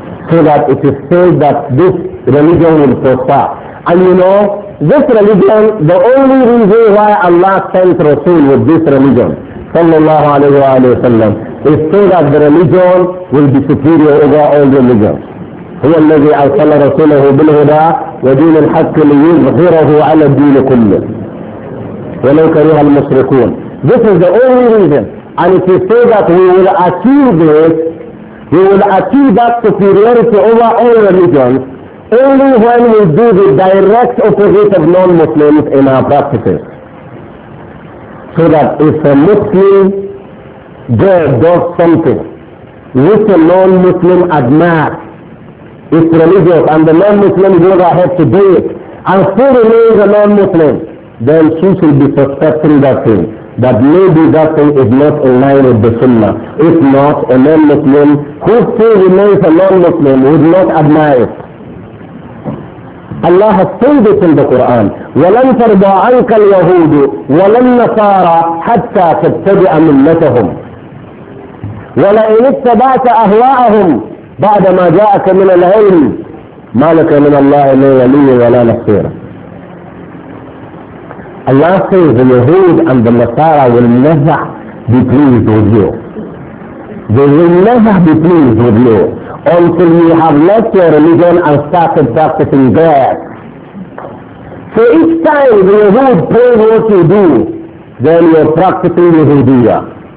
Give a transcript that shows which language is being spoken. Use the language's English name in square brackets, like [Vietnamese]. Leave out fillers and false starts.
[English] So that it is said that this religion will prosper. And you know, this religion, the only reason why Allah sent Rasul with this religion, sallallahu alayhi wa sallam, is so that the religion will be superior over all religions. [Arabic] هو الذي أرسل رسوله بالهدى ودين الحق ليظهره على الدين كله ولو كره المشركون. [English] This is the only reason. And if you say that we will achieve this, we will achieve that superiority over all religions only when we do the direct opposite of non-Muslims in our practices. So that if a Muslim there does something which a non-Muslim admires, it's religious, and the non-Muslim goes ahead to do it and still remains a non-Muslim, then she should be suspecting that thing, that maybe that thing is not in line with the Sunnah. If not, a non-Muslim who still remains a non-Muslim would not admire it. Allah has told it in the Quran, [Arabic] وَلَنْ تَرْضَى عَنْكَ الْيَهُودُ وَلَنْ نَصَارَى حَتَّى تَتَّبِعَ مِلَّتَهُمْ وَلَئِنِ اتَّبَعْتَ أَهْوَاءَهُمْ بعد ما جاءك من العلم ما لك من الله لا ولي ولا نصير. [English] Allah says the Yahud and the Nasara will never be pleased with you. They will never be pleased with you until you have left your religion and started practicing God. So each time the Yahud prays what you do, then you are practicing Yahudiyah.